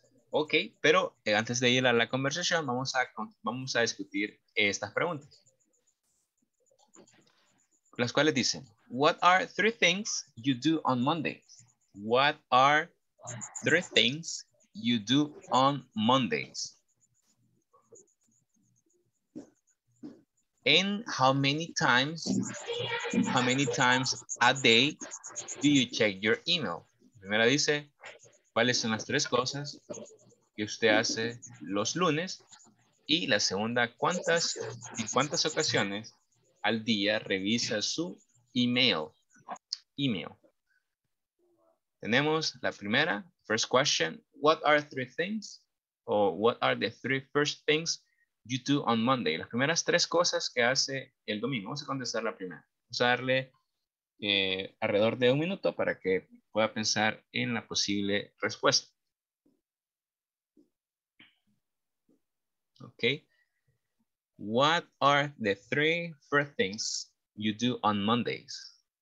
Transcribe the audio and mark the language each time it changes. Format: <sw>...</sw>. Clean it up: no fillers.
<es>Ok, pero antes de ir a la conversación, vamos a discutir estas preguntas. Las cuales dicen,</es> <en>what are three things you do on Monday? What are three things you do on Mondays? And how many times a day do you check your email?</en> <es>Primera dice, ¿cuáles son las tres cosas que usted hace los lunes? Y la segunda, ¿en cuántas ocasiones al día revisa su email? Email. Tenemos la primera,</es> <en>first question, what are three things? Or what are the three first things you do on Monday?</en> <es>Las primeras tres cosas que hace el domingo. Vamos a contestar la primera. Vamos a darle alrededor de un minuto para que pueda pensar en la posible respuesta.</es> <en>Okay. What are the three first things you do on Mondays?</en>